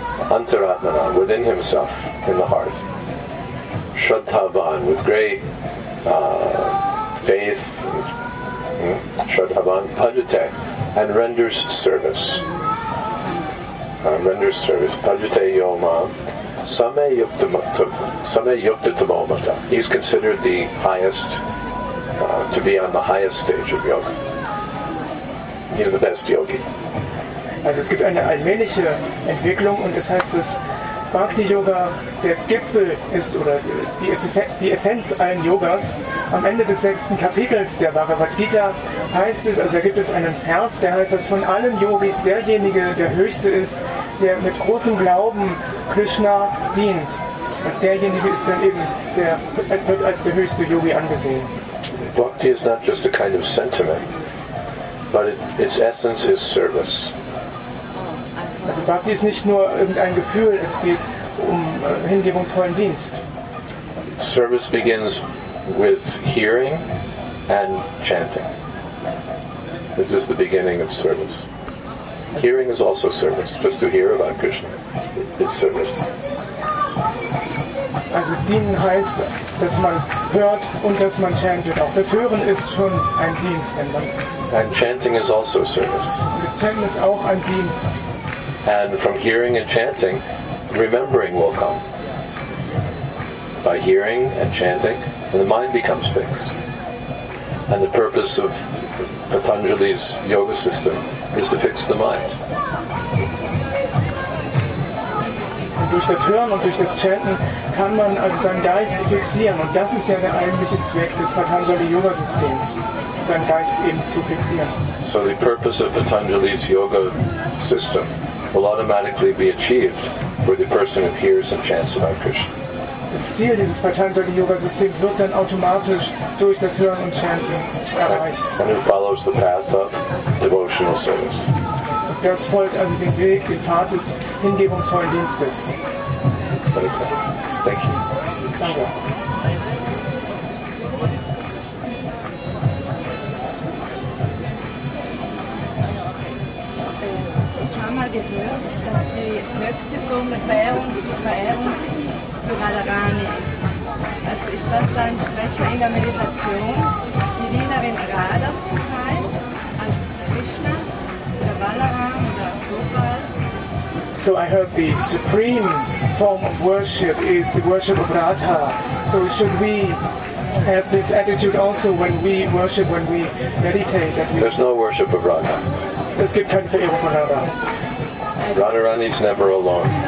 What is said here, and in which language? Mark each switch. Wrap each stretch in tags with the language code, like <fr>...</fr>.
<en>Antaratmana, within himself, in the heart. Shraddhavan, with great faith, Shraddhavan, Pajate, and renders service. Renders service. Pajate Yoma, Same Yukta Tabomata. He's considered the highest, to be on the highest stage of yoga. He's the best yogi.</en> <de>Also, es gibt eine allmähliche Entwicklung, und es heißt es, Bhakti-Yoga, der Gipfel ist, oder die Essenz allen Yogas. Am Ende des sechsten Kapitels der Bhagavad Gita heißt es, also da gibt es einen Vers, der heißt, dass von allen Yogis derjenige der Höchste ist, der mit großem Glauben Krishna dient. Und derjenige ist dann eben, der wird als der höchste Yogi angesehen.</de> <en>Bhakti is not just a kind of sentiment, but its essence is service.</en> <de>Also Bhakti ist nicht nur irgendein Gefühl, es geht um hingebungsvollen Dienst.</de> <en>Service begins with hearing and chanting. This is the beginning of service. Hearing is also service. Just to hear about Krishna is service.</en> <de>Also dienen heißt, dass man hört und dass man chantet. Auch das Hören ist schon ein Dienst.</de> <en>And chanting is also service.</en> <de>Das Chanten ist auch ein Dienst.</de> <en>And from hearing and chanting, remembering will come. By hearing and chanting, the mind becomes fixed. And the purpose of Patanjali's yoga system is to fix the mind.</en> <de>Und durch das Hören und durch das Chanten kann man also seinen Geist fixieren. Und das ist ja der eigentliche Zweck des Patanjali-Yoga-Systems, seinen Geist eben zu fixieren.</de> <en>So the purpose of Patanjali's yoga system will automatically be achieved for the person who hears and chants about Krishna.</en> <de>Das Ziel dieses Patanjali-Yoga-Systems wird dann automatisch durch das Hören und Chanten erreicht.</de> <en>And who follows the path of devotional service.</en> <de>Und das folgt also den Weg, den Pfad des hingebungsvollen Dienstes.</de> <en>Okay. Thank you.</en> <de>Danke. Gehört, dass die höchste Form der Verehrung die Verehrung für Radharani ist. Also ist das dann besser in der Meditation, die Dienerin Radhas zu sein, als Krishna oder Balaram oder Gopal?</de> <en>So I heard the supreme form of worship is the worship of Radha. So should we have this attitude also when we worship, when we meditate? That there's no worship of Radha.</en> <de>Es gibt keine Verehrung von Radha.</de> <en>Radharani is never alone.</en>